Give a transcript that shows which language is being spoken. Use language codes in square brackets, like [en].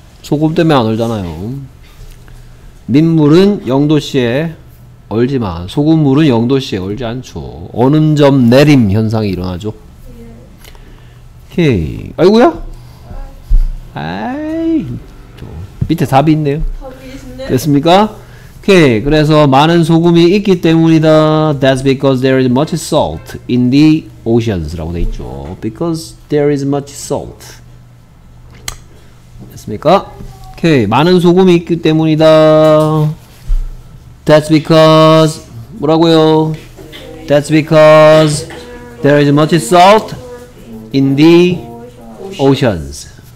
[ko] 소금 때문에 안 얼잖아요. 민물은 0도씨에 얼지만 소금물은 0도씨에 얼지 않죠. 어는 점 내림 현상이 일어나죠. 오케이. 아이고야? 아이 저 밑에 답이 있네요. 답이 있네. 됐습니까? 오케이. 그래서 많은 소금이 있기 때문이다. [en] That's because there is much salt in the oceans [ko] 라고 돼있죠. [en] Because there is much salt. [ko] 됐습니까? 오케이. 많은 소금이 있기 때문이다. [en] That's because [ko] 뭐라고요? [en] That's because there is much salt in the oceans.